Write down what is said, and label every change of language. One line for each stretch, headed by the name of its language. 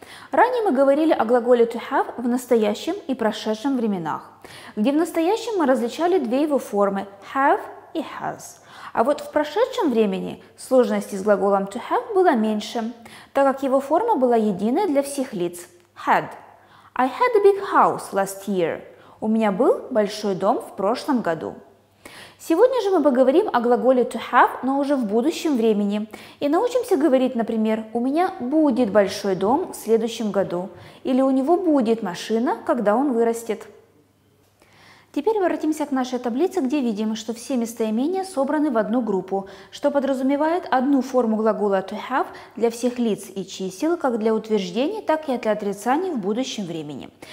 Russian: Ранее мы говорили о глаголе to have в настоящем и прошедшем временах, где в настоящем мы различали две его формы – have и has. А вот в прошедшем времени сложности с глаголом to have было меньше, так как его форма была единая для всех лиц – had.
English: I had a big house last year.
Russian: У меня был большой дом в прошлом году. Сегодня же мы поговорим о глаголе to have, но уже в будущем времени. И научимся говорить, например, у меня будет большой дом в следующем году. Или у него будет машина, когда он вырастет. Теперь обратимся к нашей таблице, где видим, что все местоимения собраны в одну группу, что подразумевает одну форму глагола to have для всех лиц и чисел, как для утверждений, так и для отрицаний в будущем времени.